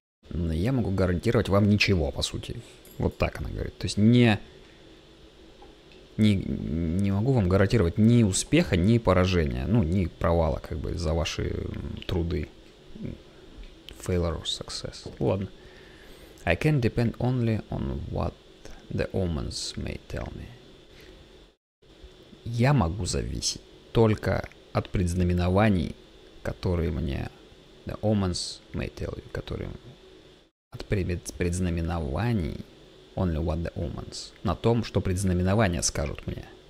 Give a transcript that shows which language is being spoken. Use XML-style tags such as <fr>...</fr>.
<ru>Но я могу гарантировать вам ничего, по сути. Вот так она говорит. То есть не могу вам гарантировать ни успеха, ни поражения, ну, ни провала, как бы, за ваши труды.</ru> <en>Failure or success.</en> <ru>Ладно.</ru> <en>I can depend only on what the omens may tell me.</en> <ru>Я могу зависеть только от предзнаменований, которые мне...</ru> <en>The omens may tell you,</en> <ru>которые... От предзнаменований...</ru> <en>Only what the omens.</en> <ru>На том, что предзнаменования скажут мне.</ru>